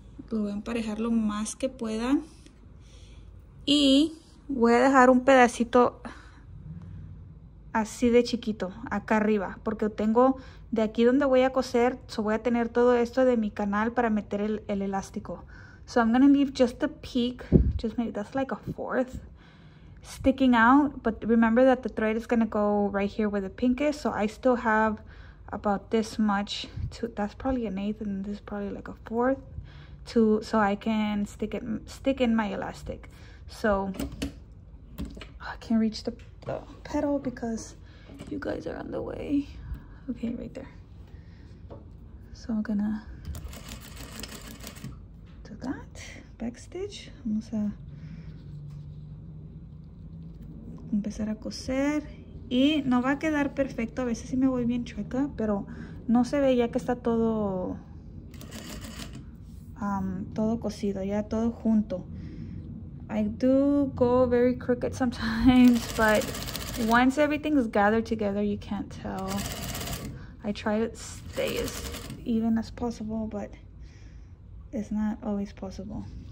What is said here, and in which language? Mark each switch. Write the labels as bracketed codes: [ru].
[es] Lo voy a emparejar lo más que pueda. Y voy a dejar un pedacito así de chiquito, acá arriba, porque tengo de aquí donde voy a coser, so voy a tener todo esto de mi canal para meter el elástico. [en] So I'm gonna leave just a peak, just maybe that's like a fourth sticking out, but remember that the thread is gonna go right here where the pink is, so I still have about this much to, that's probably an eighth, and this is probably like a fourth to, so I can stick in my elastic. So I can't reach the pedal because you guys are on the way. Okay, right there. So I'm gonna do that backstitch. [es] Vamos a empezar a coser. Y no va a quedar perfecto. A veces sí me voy bien chueca, pero no se ve ya que está todo todo cosido, ya todo junto. [en] I do go very crooked sometimes, but once everything's gathered together, you can't tell. I try to stay as even as possible, but it's not always possible.